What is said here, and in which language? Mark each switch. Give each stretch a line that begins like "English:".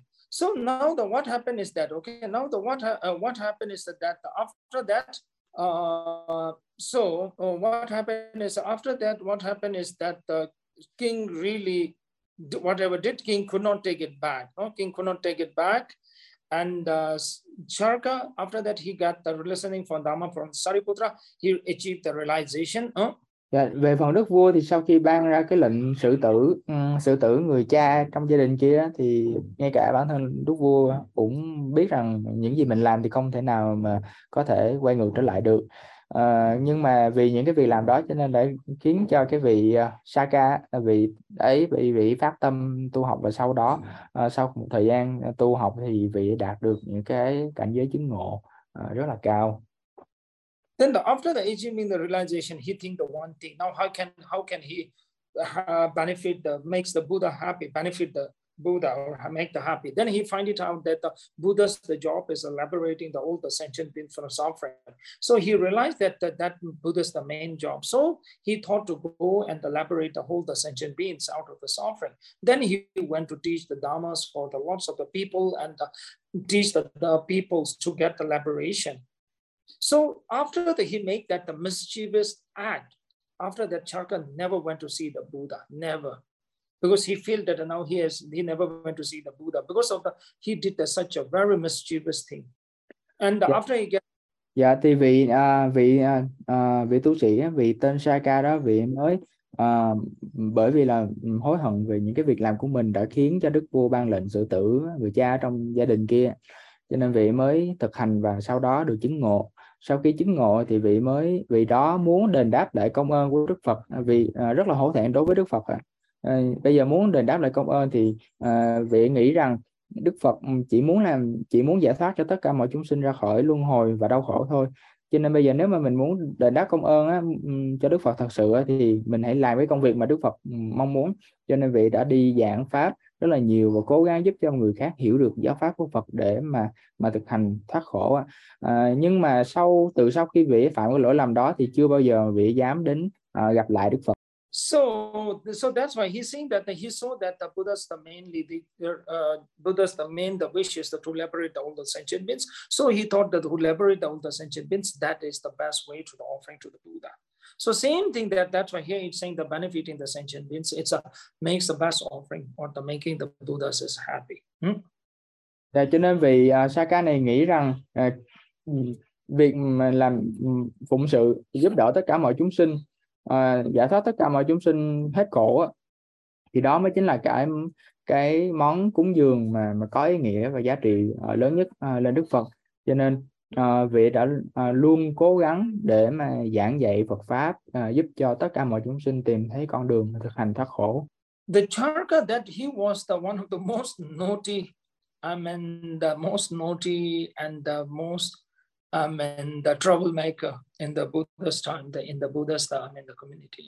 English: So now the what happened is that okay, now the what happened is that after that what happened is that the king really whatever did king could not take it back. No, king could not take it back. And Charaka, after that he got the listening from Dharma from Sariputra, he achieved the realization.
Vietnamese: Về phần đức vua thì sau khi ban ra cái lệnh xử tử người cha trong gia đình kia, thì ngay cả bản thân đức vua cũng biết rằng những gì mình làm thì không thể nào mà có thể quay ngược trở lại được. Nhưng mà vì những cái việc làm đó cho nên đã khiến cho cái vị Shaka vị ấy bị phát tâm tu học, và sau đó sau một thời gian tu học thì vị đạt được những cái cảnh giới chứng ngộ rất là cao.
English: Then the, after the achieving the realization, he think the one thing. Now how can he benefit the makes the Buddha happy, benefit the Buddha or make the happy? Then he find it out that the Buddha's the job is liberating the all the sentient beings from suffering. So he realized that that Buddha's the main job. So he thought to go and liberate the whole the sentient beings out of the suffering. Then he went to teach the dharmas for the lots of the people and teach the peoples to get the liberation. So after that, he make that the mischievous act. After that, Chaka never went to see the Buddha, never, because he feel that now he never went to see the Buddha because of the he did the, such a very mischievous thing. And after he get,
Vietnamese: Dạ thì vị vị vị tu sĩ vị tên Shaka đó, vị mới bởi vì là hối hận về những cái việc làm của mình đã khiến cho Đức Vua ban lệnh xử tử người cha trong gia đình kia, cho nên vị mới thực hành và sau đó được chứng ngộ. Sau khi chứng ngộ thì vị đó muốn đền đáp lại công ơn của Đức Phật, vì rất là hổ thẹn đối với Đức Phật ạ. Bây giờ muốn đền đáp lại công ơn thì vị nghĩ rằng Đức Phật chỉ muốn giải thoát cho tất cả mọi chúng sinh ra khỏi luân hồi và đau khổ thôi. Cho nên bây giờ nếu mà mình muốn đền đáp công ơn á, cho Đức Phật thật sự á, thì mình hãy làm cái công việc mà Đức Phật mong muốn. Cho nên vị đã đi giảng pháp rất là nhiều và cố gắng giúp cho người khác hiểu được giáo pháp của Phật để mà thực hành thoát khổ á. Nhưng mà sau khi vị phạm cái lỗi lầm đó thì chưa bao giờ vị dám đến gặp lại Đức Phật.
English: So that's why he's saying that he saw that the Buddha's the mainly the Buddha's the main the wish is to liberate all the sentient beings. So he thought that to liberate all the sentient beings, that is the best way to the offering to the Buddha. So same thing that's why here he's saying the benefiting the sentient beings, it's a makes the best offering or the making the Buddha's is happy.
Vietnamese: Cho nên vì Shaka này nghĩ rằng việc mà làm phụng sự giúp đỡ tất cả mọi chúng sinh, giải thoát tất cả mọi chúng sinh hết khổ á, thì đó mới chính là cái món cúng dường mà có ý nghĩa và giá trị lớn nhất lên Đức Phật. Cho nên vị đã luôn cố gắng để mà giảng dạy Phật pháp, giúp cho tất cả mọi chúng sinh tìm thấy con đường thực hành thoát khổ.
English: The Charaka that he was the one of the most naughty, I mean the most naughty and the most I mean the troublemaker in the Buddhist time, the, in the Buddhist time, in the community.